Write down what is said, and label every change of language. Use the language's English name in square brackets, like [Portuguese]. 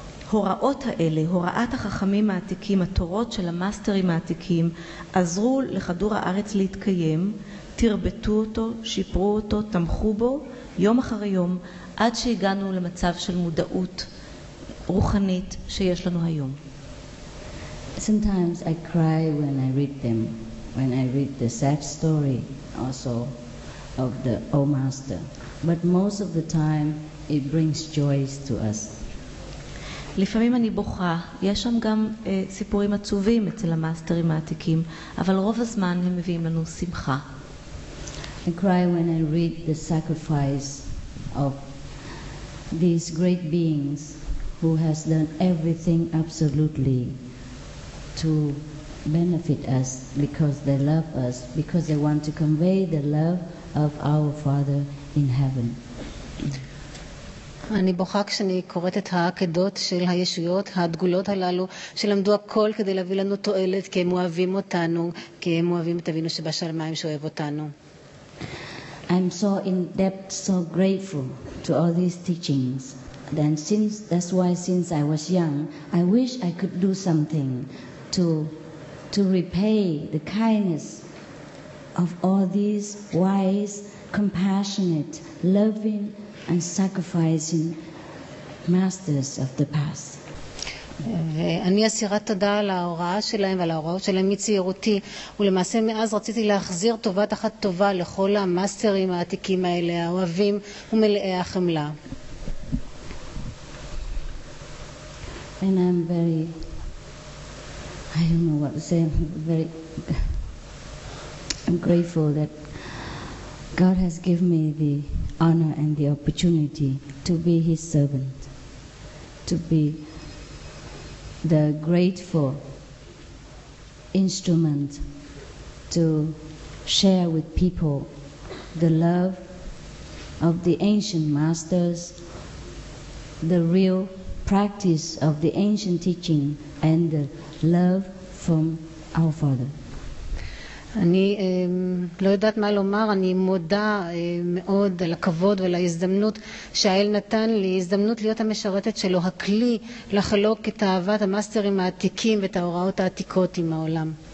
[Hebrew] הוראות האלה, הוראת החכמים העתיקים, התורות של המאסטרים העתיקים, עזרו לכדור הארץ להתקיים, תרבטו אותו, שיפרו אותו, תמכו בו, יום אחר יום, עד שהגענו למצב של מודעות רוחנית שיש לנו היום. [English] Sometimes I cry when I read them, when I read the sad story also of the old master. But most of the time it brings joy to us. [Hebrew] לפעמים אני בוכה, יש שם גם סיפורים עצובים אצל המאסטרים העתיקים, אבל רוב הזמן הם מביאים לנו שמחה. [English] I cry when I read the sacrifice of these great beings who has done everything absolutely to benefit us because they love us, because they want to convey the love of our Father in heaven. [Hebrew] אני בוכה כשאני קוראת את העקדות של הישויות הדגולות הללו שלמדו הכל כדי להביא לנו תועלת, כי הם אוהבים אותנו, כי הם אוהבים את אבינו שבשמיים שאוהב אותנו. [English] I'm so in depth, so grateful to all these teachings. Then since I was young, I wish I could do something to repay the kindness of all these wise, compassionate, loving and sacrificing masters of the past. [Hebrew] אני אסירת תודה על ההוראה שלהם ועל ההוראות שלהם מצעירותי, ולמעשה מאז רציתי להחזיר טובה תחת טובה לכל המאסטרים העתיקים האלה, האוהבים ומלאי החמלה. [English] And I'm very, I don't know what to say, I'm grateful that God has given me the honor and the opportunity to be his servant, to be the grateful instrument to share with people the love of the ancient masters, the real practice of the ancient teaching and the love from our Father. [Hebrew] אני לא יודעת מה לומר, אני מודה מאוד על הכבוד ועל ההזדמנות שהאל נתן לי, הזדמנות להיות המשרתת שלו, הכלי לחלוק את אהבת המאסטרים העתיקים ואת ההוראות העתיקות עם העולם.